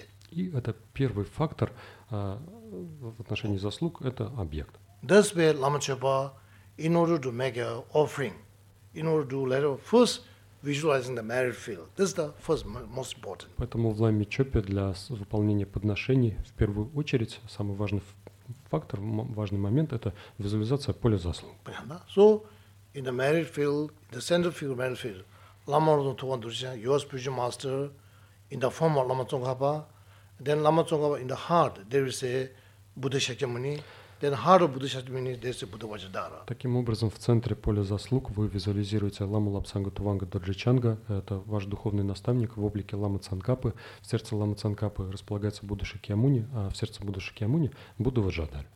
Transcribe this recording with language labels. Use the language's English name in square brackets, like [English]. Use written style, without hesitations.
[Russian] И это первый фактор в отношении заслуг – это объект. [English] That's where Lama Chöpa, in order to make an offering, in order to let her first visualizing the merit field. This is the first most important. [Russian] Поэтому в Ламе Чопе для выполнения подношений в первую очередь самый важный фактор, важный момент – это визуализация поля заслуг. Понятно? [English] So, in the merit field, the center field of merit field, Lama Tsongkhapa Durshan, your spiritual master, in the form of Lama Tsongkhapa, then Lama Tsongkhapa in the heart, there is a Buddha Shakyamuni, then heart of Buddha Shakyamuni, there is a Buddha Vajradhara. [Russian] Таким образом, в центре поля заслуг вы визуализируете Ламу Лапсанга Туванга Доджи Чанга, это ваш духовный наставник в облике Ламы Цангапы. В сердце Ламы Цангапы располагается Будда Шакьямуни, а в сердце Будда Шакьямуни – Будда Ваджадар.